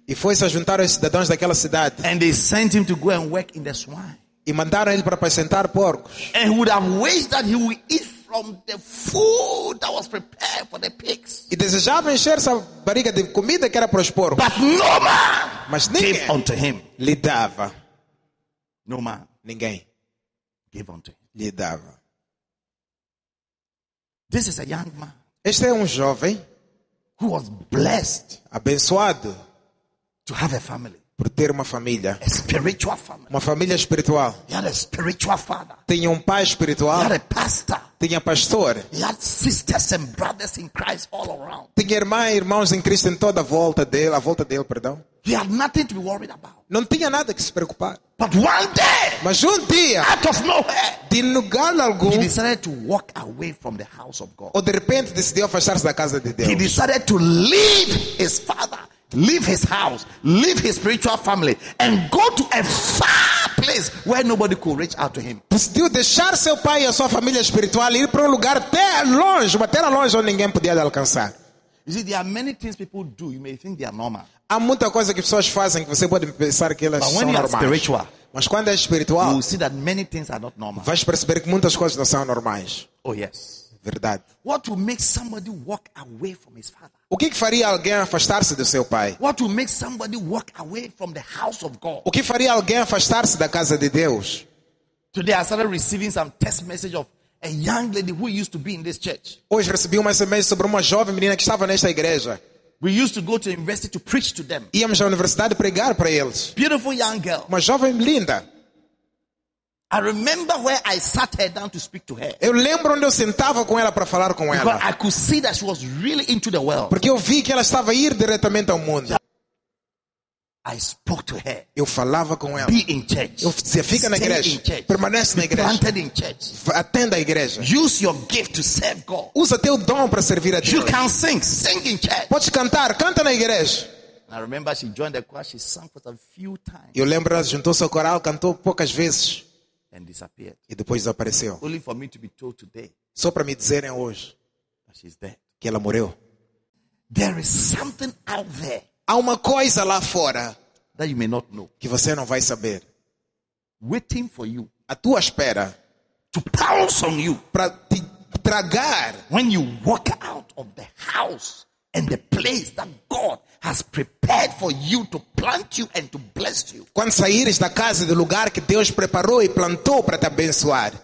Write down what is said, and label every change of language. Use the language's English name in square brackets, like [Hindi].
[Portuguese] E foi se juntar aos cidadãos daquela cidade. [English] And they sent him to go and work in the swine. [Portuguese] E mandaram ele para apacentar porcos. [English] And would have wished that he would eat from the food that was prepared for the pigs. [Portuguese] E desejava encher essa barriga de comida que era para os porcos. [English] But no man, [Portuguese] mas ninguém [English] gave unto him. [Portuguese] Lhe dava. [English] No man, [Portuguese] ninguém [English] gave unto him. [Portuguese] Lhe dava. [English] This is a young man. [Portuguese] Este é jovem [English] who was blessed, [Portuguese] abençoado, [English] to have a family. [Portuguese] Por ter uma família. [English] A spiritual family. [Portuguese] Uma família espiritual. [English] He had a spiritual father. [Portuguese] Tinha pai espiritual. [English] He had a pastor. [Portuguese] Tinha pastor. [English] He had sisters and brothers in Christ all around. [Portuguese] Tinha irmãs e irmãos em Cristo em toda a volta dele, perdão. [English] He had nothing to be worried about. [Portuguese] Não tinha nada que se preocupar. [English] But one day, [Portuguese] mas dia, [English] out of nowhere, [Portuguese] de lugar algum, [English] he decided to walk away from the house of God. [Portuguese] Ou de repente decidiu afastar-se da casa de Deus. [English] He decided to leave his father, leave his house, leave his spiritual family, and go to a far place where nobody could reach out to him. [Portuguese] Decidiu deixar seu pai e a sua família espiritual e ir para lugar até longe, uma terra longe onde ninguém podia alcançar. [English] You see, there are many things people do. You may think they are normal. [Portuguese] Há muita coisa que pessoas fazem que você pode pensar que elas são normais. [English] But when you are spiritual, [Portuguese] mas quando é espiritual, [English] you see that many things are not normal. [Portuguese] Vais perceber que muitas coisas não são normais. [English] Oh yes. [Portuguese] Verdade. [English] What will make somebody walk away from his father? [Portuguese] O que faria alguém afastar-se do seu pai? [English] What will make somebody walk away from the house of God? [Portuguese] O que faria alguém afastar-se da casa de Deus? [English] Today I started receiving some text message of a young lady who used to be in this church. [Portuguese] Hoje recebi uma SMS sobre uma jovem menina que estava nesta igreja. [English] We used to go to university to preach to them. [Portuguese] Íamos à universidade pregar para eles. [English] Beautiful young girl. [Portuguese] Uma jovem linda. [English] I remember where I sat her down to speak to her. [Portuguese] Eu lembro onde eu sentava com ela para falar com ela. [English] Because I could see that she was really into the world. [Portuguese] Porque eu vi que ela estava a ir diretamente ao mundo. [English] I spoke to her. [Portuguese] Eu falava com ela. [English] Be in church. [Portuguese] Eu dizia, fica [English] stay [Portuguese] na igreja. [English] In church. [Portuguese] Permanece [English] be [Portuguese] na igreja. [English] Planted in church. [Portuguese] Atenda a igreja. [English] Use your gift to serve God. [Portuguese] Usa teu dom para servir a Deus. [English] You can sing. Sing in church. [Portuguese] Pode cantar. Canta na igreja. [English] And I remember she joined the choir. She sang for a few times. [Portuguese] Eu lembro ela juntou-se ao coral, cantou poucas vezes. [English] And disappeared. [Portuguese] E depois desapareceu. [English] Only for me to be told today. [Portuguese] Só para me dizerem hoje. [English] That she's dead. [Portuguese] Que ela morreu. [English] There is something out there. [Portuguese] Há uma coisa lá fora. [English] That you may not know. [Portuguese] Que você não vai saber. [English] Waiting for you. [Portuguese] A tua espera. [English] To pounce on you. [Portuguese] Para te tragar. [English] When you walk out of the house and the place that God has prepared for you to plant you and to bless you. [Portuguese] Quando saíres da casa do lugar que Deus preparou e plantou para te abençoar.